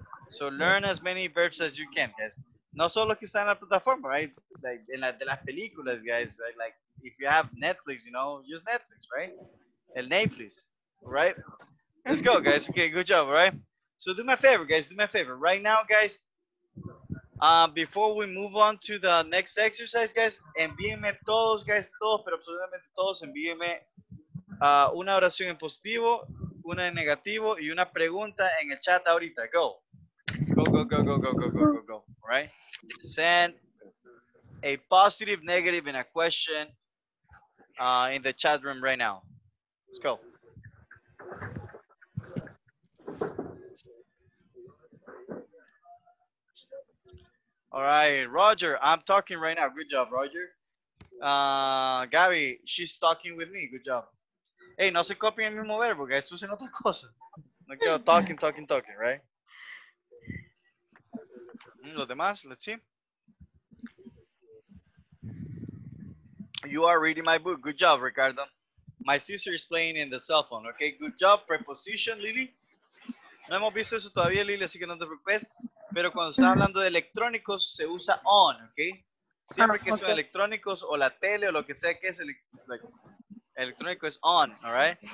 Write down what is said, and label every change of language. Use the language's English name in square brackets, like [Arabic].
[English] So learn as many verbs as you can, guys. [Spanish] No solo los que están en la plataforma, right? Like, en la, de las películas, guys, right? [English] Like, if you have Netflix, you know, use Netflix, right? El Netflix, right? Let's go, guys. Okay, good job, right? So do me a favor, guys. Do me a favor. Right now, guys, before we move on to the next exercise, [Spanish] guys, envíenme todos, guys, todos, pero absolutamente todos, envíenme una oración en positivo, una en negativo y una pregunta en el chat ahorita. [English] Go. Go, go, go, go, go, go, go, go, go. Right? Send a positive, negative, and a question in the chat room right now. Let's go. All right, Roger, I'm talking right now. Good job, Roger. [Spanish] Gabby, [English] she's talking with me. Good job. [Spanish] Hey, no se copien el mismo verbo, guys. Usen otra cosa. No quiero talking, talking, talking, right? Los demás, [English] let's see. You are reading my book. Good job, Ricardo. My sister is playing in the cell phone. Okay, good job. Preposition, Lily. [Spanish] No hemos visto eso todavía, Lily, así que no te preocupes. Pero cuando está hablando de electrónicos, se usa on, okay? Siempre que son electrónicos o la tele o lo que sea que es electrónico es on, all right?